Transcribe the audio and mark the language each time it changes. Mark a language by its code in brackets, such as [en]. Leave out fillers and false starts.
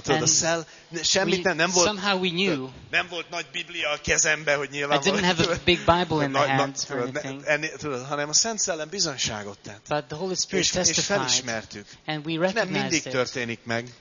[hu] Tudod, a szel, semmit nem volt. [en] Somehow we knew. [hu] Nem volt nagy Biblia a kezembe, hogy nyilván. [en] I didn't have a big Bible in my hand or anything. [hu] Tudod, hanem a Szent Szellem bizonyságot tett. [en] But the Holy Spirit testified. [hu] És felismertük. [en] And we recognized it. [hu] Nem mindig történik meg.